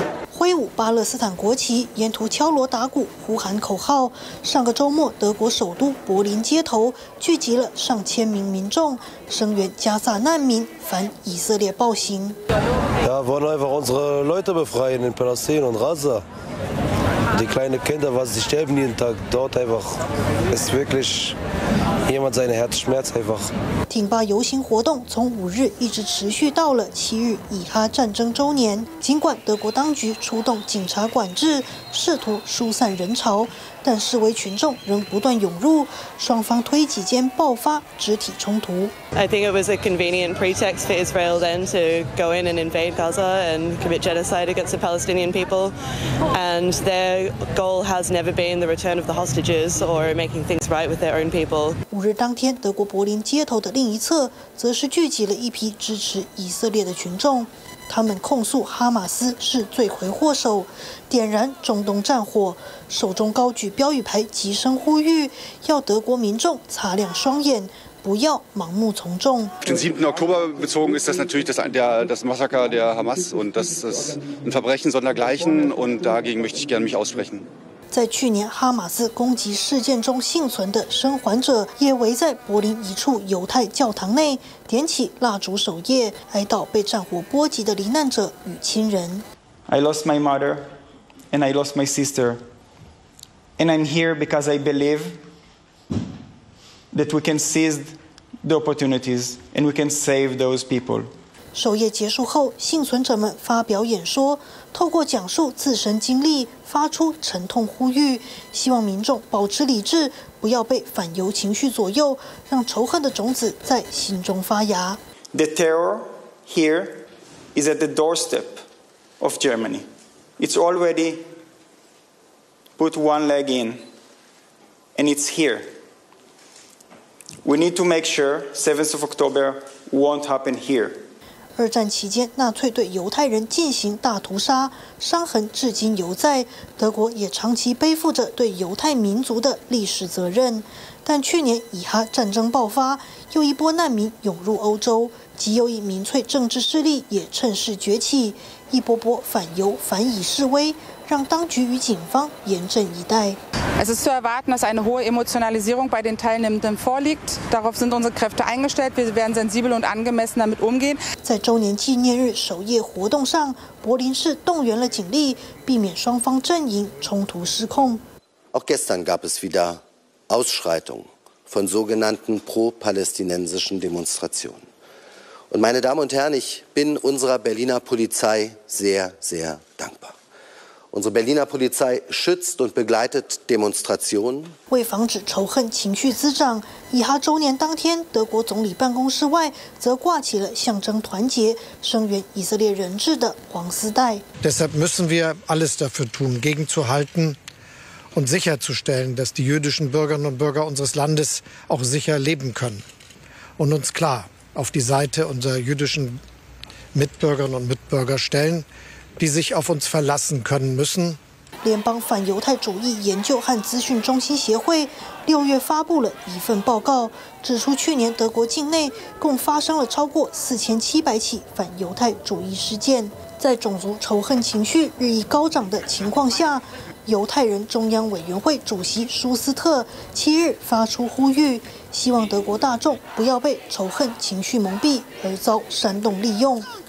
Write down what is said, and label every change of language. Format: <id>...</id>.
<zh>挥舞巴勒斯坦国旗，沿途敲锣打鼓，呼喊口号。上个周末，德国首都柏林街头聚集了上千名民众，声援加萨难民，反以色列暴行。</zh> <de>Ja, wollen einfach unsere Leute befreien in Palästina und Gaza. Die kleinen Kinder, was sie sterben jeden Tag dort einfach, ist wirklich jemand seine Herz schmerzt einfach.</de> <zh>挺巴游行活动从五日一直持续到了七日，以哈战争周年。尽管德国当局出动警察管制，试图疏散人潮，但示威群众仍不断涌入，双方推挤间爆发肢体冲突。</zh> <en>I think it was a convenient pretext for Israel then to go in and invade Gaza and commit genocide against the Palestinian people. And their goal has never been the return of the hostages or making things right with their own people.</en> <zh>五日当天，德国柏林街头的另一侧，则是聚集了一批支持以色列的群众。他们控诉哈马斯是罪魁祸首，点燃中东战火，手中高举标语牌，急声呼吁，要德国民众擦亮双眼，不要盲目从众。</zh> <de>Den 7. Oktober bezogen ist das natürlich das Massaker der Hamas und das ist ein Verbrechen sondergleichen und dagegen möchte ich gerne mich aussprechen。</de> <zh>在去年哈马斯攻击事件中幸存的生还者，也围在柏林一处犹太教堂内，点起蜡烛守夜，哀悼被战火波及的罹难者与亲人。</zh> <en>I lost my mother, and I lost my sister, and I'm here because I believe that we can seize the opportunities and we can save those people。</en> <zh>守夜结束后，幸存者们发表演说，透过讲述自身经历，发出沉痛呼吁，希望民众保持理智，不要被反犹情绪左右，让仇恨的种子在心中发芽。</zh> <en>The terror here is at the doorstep of Germany. It's already put one leg in, and it's here. We need to make sure 7th of October won't happen here.</en> <zh>二战期间，纳粹对犹太人进行大屠杀，伤痕至今犹在。德国也长期背负着对犹太民族的历史责任。但去年以哈战争爆发，又一波难民涌入欧洲，极右翼民粹政治势力也趁势崛起，一波波反犹反以示威，让当局与警方严阵以待。</zh> <de>Es ist zu erwarten, dass eine hohe Emotionalisierung bei den Teilnehmenden vorliegt. Darauf sind unsere Kräfte eingestellt. Wir werden sensibel und angemessen damit umgehen.</de> <zh>在周年纪念日守夜活动上，柏林市动员了警力，避免双方阵营冲突失控。</zh> <de>Auch gestern gab es wieder Ausschreitungen von sogenannten pro-palästinensischen Demonstrationen. Und meine Damen und Herren, ich bin unserer Berliner Polizei sehr, sehr dankbar. Unsere Berliner Polizei schützt und begleitet Demonstrationen.</de> <zh>为防止仇恨情绪滋长，以哈周年当天，德国总理办公室外则挂起了象征团结、声援以色列人质的黄丝带。</zh> <de>Deshalb müssen wir alles dafür tun, gegenzuhalten und sicherzustellen, dass die jüdischen Bürgerinnen und Bürger unseres Landes auch sicher leben können und uns klar auf die Seite unserer jüdischen Mitbürgerinnen und Mitbürger stellen. Die sich auf uns verlassen können müssen.</de> <zh>联邦反犹太主义研究和资讯中心协会六月发布了一份报告，指出去年德国境内共发生了超过4700起反犹太主义事件。在种族仇恨情绪日益高涨的情况下，犹太人中央委员会主席舒斯特七日发出呼吁，希望德国大众不要被仇恨情绪蒙蔽而遭煽动利用。</zh>